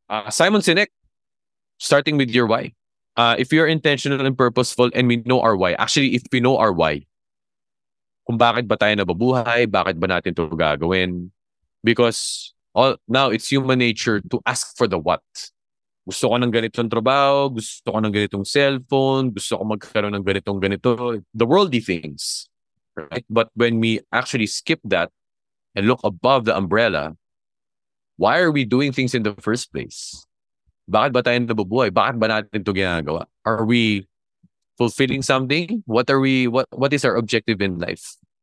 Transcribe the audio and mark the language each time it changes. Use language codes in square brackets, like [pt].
[en] Simon Sinek, starting with your why. If you're intentional and purposeful and we know our why, actually, if we know our why, [tl] kung bakit ba tayo nababuhay, bakit ba natin ito gagawin? [en] Because all, now, it's human nature to ask for the what. [tl] Gusto ko ng ganitong trabaho, gusto ko ng ganitong cellphone, gusto ko magkaroon ng ganitong-ganito. [en] The worldly things. Right? But when we actually skip that and look above the umbrella, why are we doing things in the first place? [tl] Bakit ba tayo nabubuhay? Bakit ba natin ito ginagawa? [en] Are we fulfilling something? What is our objective in life?